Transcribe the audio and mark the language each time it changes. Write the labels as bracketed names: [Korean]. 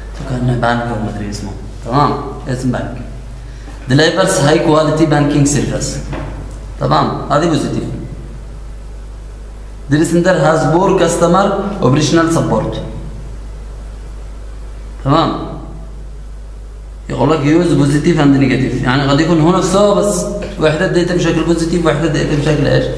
[Arabic] كان بانك ما ادري اسمه تمام اسم بانك. [English] Delivers high quality banking services [Arabic] تمام هذه بوزيتيف. [English] Dresender has poor customer operational support تمام. [Arabic] يقول لك [English] use positive and negative [Arabic] يعني قد يكون هو نفسه بس واحده اديته بشكل بوزيتيف واحده اديته بشكل ايش؟